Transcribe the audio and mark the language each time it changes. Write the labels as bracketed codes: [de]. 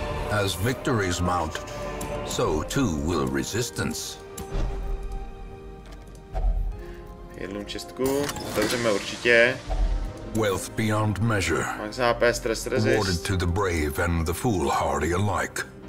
[en] As victories mount, so too will resistance. [cs] Jednu čestku, otevřeme určitě. [en] Wealth beyond measure, awarded to the brave and the foolhardy alike.